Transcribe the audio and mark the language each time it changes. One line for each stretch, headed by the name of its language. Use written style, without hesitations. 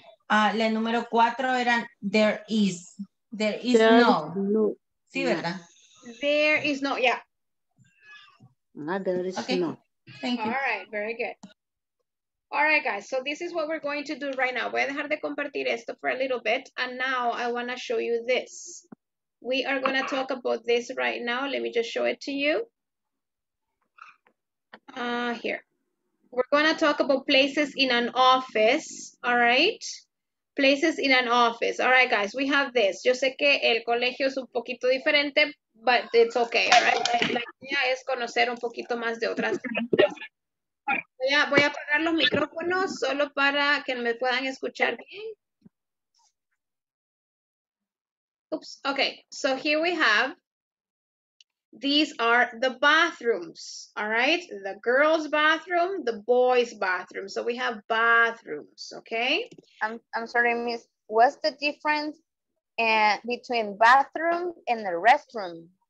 Spanish: La número 4 era there is.
English: There is there no.
Spanish: No. Sí, ¿verdad?
English: There is no, yeah. There is okay. No. Thank you. All right, very good. All right, guys. So this is what we're going to do right now.
Spanish: Voy a dejar de compartir esto
English: for a little bit. And now I want to show you this. We are going to talk about this right now. Let me just show it to you. Here. We're going to talk about places in an office. All right. Places in an office. All right, guys, we have this.
Spanish: Yo sé que el colegio es un poquito diferente,
English: but it's okay, all right?
Spanish: La idea es conocer un poquito más de otras. Voy a apagar los micrófonos solo para que me puedan escuchar bien.
English: Oops, okay. So here we have, these are the bathrooms, all right? The girls' bathroom, the boys' bathroom. So we have bathrooms, okay? I'm sorry, miss. What's the difference between bathroom and the restroom?